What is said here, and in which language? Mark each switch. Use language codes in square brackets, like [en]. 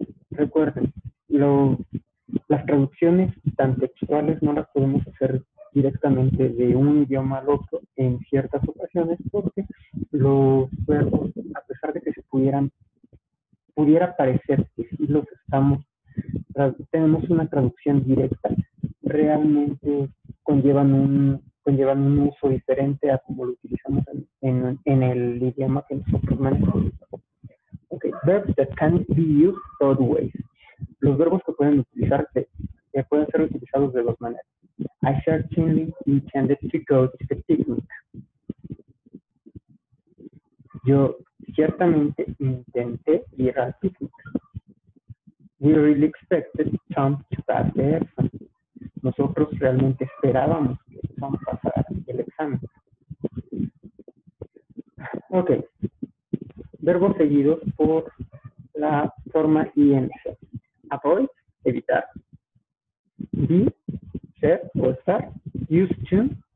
[es] Recuerden, las traducciones tan textuales no las podemos hacer directamente de un idioma al otro en ciertas ocasiones, porque los verbos, a pesar de que se pudiera parecer que sí los estamos, tenemos una traducción directa, realmente conllevan un uso diferente a como lo utilizamos en el idioma que nosotros manejamos. [en] Ok, verbs that can be used both ways. [es] Los verbos que pueden utilizarse, que pueden ser utilizados de dos maneras. [en] I certainly intended to go to the picnic. [es] Yo ciertamente intenté ir al picnic. [en] We really expected Tom to pass the exam. [es] Nosotros realmente esperábamos que Tom pasara el examen. Ok. Verbos seguidos por la forma ing. Avoid, evitar. Be, ser o estar. Used to.